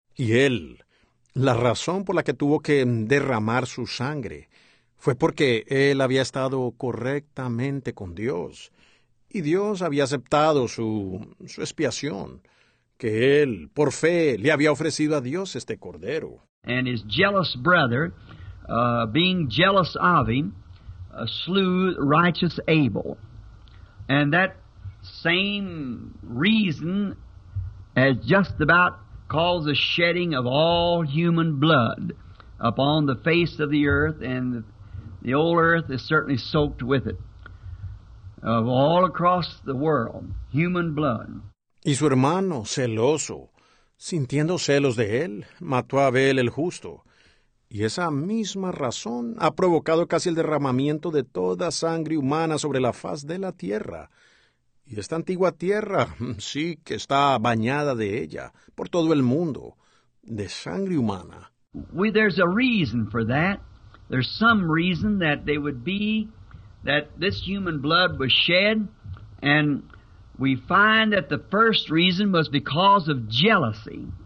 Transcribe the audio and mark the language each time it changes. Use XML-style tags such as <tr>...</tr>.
<es>Y él, la razón por la que tuvo que derramar su sangre fue porque él había estado correctamente con Dios y Dios había aceptado su expiación, que él, por fe, le había ofrecido a Dios este cordero.</es> <en>And his jealous brother, being jealous of him, slew righteous Abel. And that same reason has just about caused the shedding of all human blood upon the face of the earth, and the old earth is certainly soaked with it. Of all across the world, human blood.</en> <es>Y su hermano, celoso, sintiendo celos de él, mató a Abel el justo. Y esa misma razón ha provocado casi el derramamiento de toda sangre humana sobre la faz de la tierra. Y esta antigua tierra sí que está bañada de ella, por todo el mundo, de sangre humana.</es> <en>There's a reason for that. There's some reason that they would be that this human blood was shed, and we find that the first reason was because of jealousy.</en>